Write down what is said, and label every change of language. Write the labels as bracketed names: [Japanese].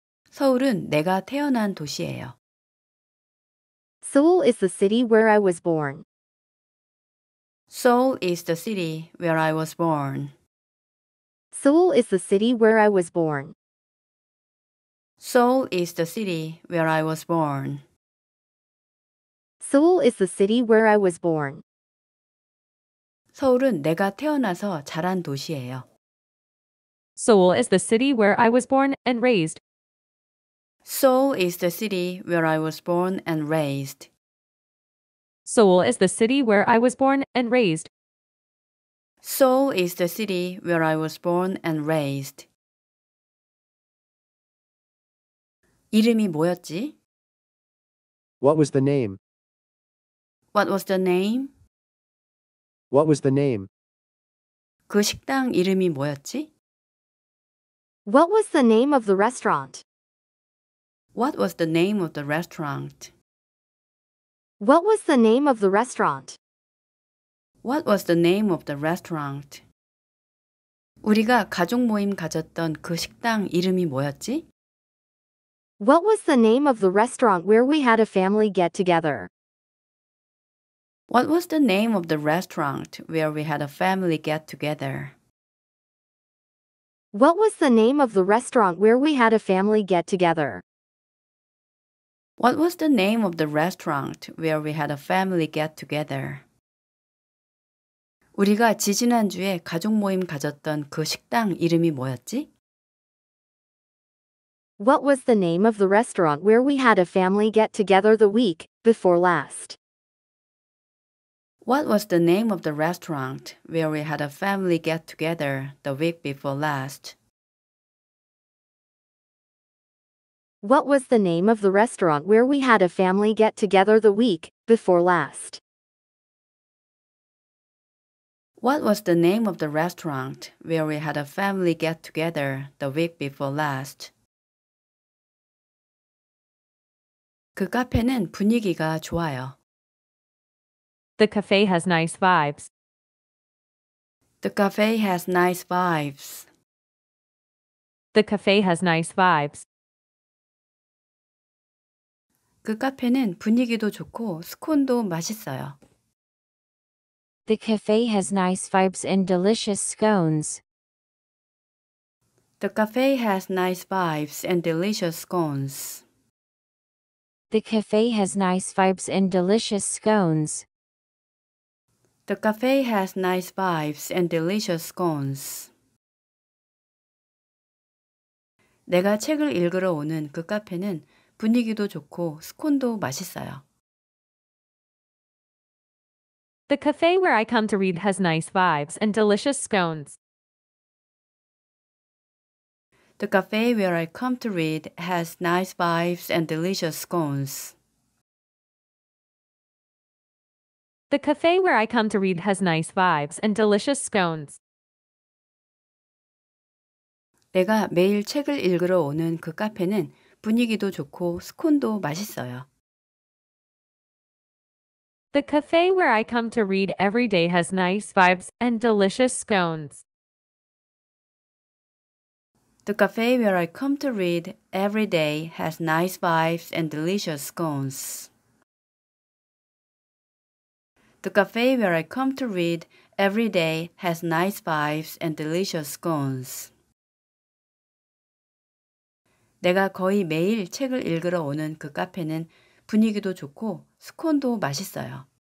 [Korean] 서울은 내가 태어난 도시예요. [English] Seoul is the city where I was born. Seoul is the city where I was born. Seoul is the city where I was born. Seoul is the city where I was born. Seoul is the city where I was born. [Korean] 서울은 내가 태어나서 자란 도시예요. [English] Seoul is the city where I was born and raised. Seoul is the city where I was born and raised. Seoul is the city where I was born and raised. Seoul is the city where I was born and raised. [Korean] 이름이 뭐였지? [English] What was the name? What was the name? What was the name? [Korean] 그 식당 이름이 뭐였지? [English] What was the name of the restaurant? What was the name of the restaurant? What was the name of the restaurant? What was the name of the restaurant? [Korean] 우리가 가족 모임 가졌던 그 식당 이름이 뭐였지? [English] What was the name of the restaurant where we had a family get together? What was the name of the restaurant where we had a family get together? What was the name of the restaurant where we had a family get together? What was the name of the restaurant where we had a family get together? [Korean] 우리가 지지난주에 가족 모임 가졌던 그 식당 이름이 뭐였지? [English] What was the name of the restaurant where we had a family get together the week before last? What was the name of the restaurant where we had a family get together the week before last? What was the name of the restaurant where we had a family get together the week before last? What was the name of the restaurant where we had a family get together the week before last? [Korean] 그 카페는 분위기가 좋아요. [English] The cafe has nice vibes. The cafe has nice vibes. The cafe has nice vibes. [Korean] 그 카페는 분위기도 좋고 스콘도 맛있어요. [English] The cafe has nice vibes and delicious scones. The cafe has nice vibes and delicious scones. The cafe has nice vibes and delicious scones. The cafe has nice vibes and delicious scones. [Korean] 내가 책을 읽으러 오는 그 카페는 분위기도 좋고 스콘도 맛있어요. [English] The cafe where I come to read has nice vibes and delicious scones. The cafe where I come to read has nice vibes and delicious scones. The cafe where I come to read has nice vibes and delicious scones. [Korean] 내가 매일 책을 읽으러 오는 그 카페는 분위기도 좋고 스콘도 맛있어요. [English] The cafe where I come to read every day has nice vibes and delicious scones. The cafe where I come to read every day has nice vibes and delicious scones. The cafe where I come to read every day has nice vibes and delicious scones. [Korean] 내가 거의 매일 책을 읽으러 오는 그 카페는 분위기도 좋고 스콘도 맛있어요.